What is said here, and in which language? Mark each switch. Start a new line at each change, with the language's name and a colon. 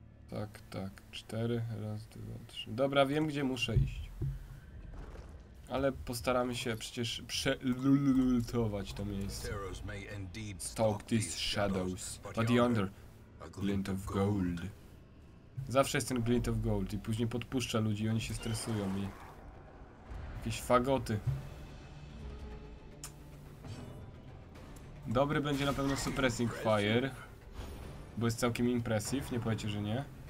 Polish: Tak, tak, 4, 1, 2, 3. Dobra, wiem gdzie muszę iść. Ale postaramy się przecież przelultować to miejsce.
English: Stalk these shadows, but yonder, glint of gold.
Polish: Zawsze jest ten
English: glint of gold
Polish: i później podpuszcza ludzi i oni się stresują i... Jakieś fagoty. Dobry będzie na pewno suppressing fire. Bo jest całkiem impressive, nie powiecie, że nie.